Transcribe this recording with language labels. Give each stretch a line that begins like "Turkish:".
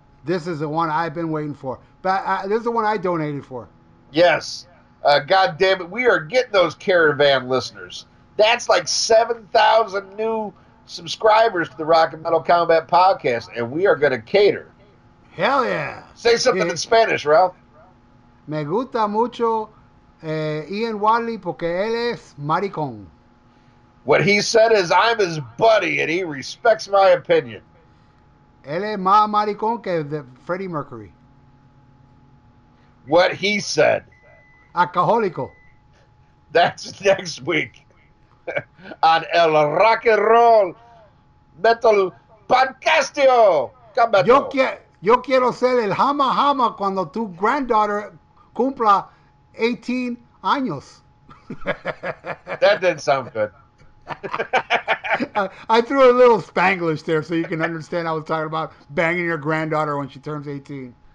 English: This is the one I've been waiting for. But this is the one I donated for. Yes. God damn it, we are getting those caravan listeners. That's like 7,000 new subscribers to the Rock and Metal Combat Podcast, and we are going to cater. Hell yeah. Say something in Spanish, Ralph.
Spanish: Me gusta mucho Ian Wadley porque él es maricón.
English: What he said is, I'm his buddy, and he respects my opinion.
Spanish: Él es más maricón que Freddie Mercury.
English: What he said.
Spanish: Alcoholico.
English: That's next week on El Rock and Roll Metal Podcastio.
Spanish: Yo quiero ser el Hama Hama cuando tu granddaughter cumpla 18 años.
English: That didn't sound good. I threw a little Spanglish there so you can understand I was talking about banging your granddaughter when she turns 18.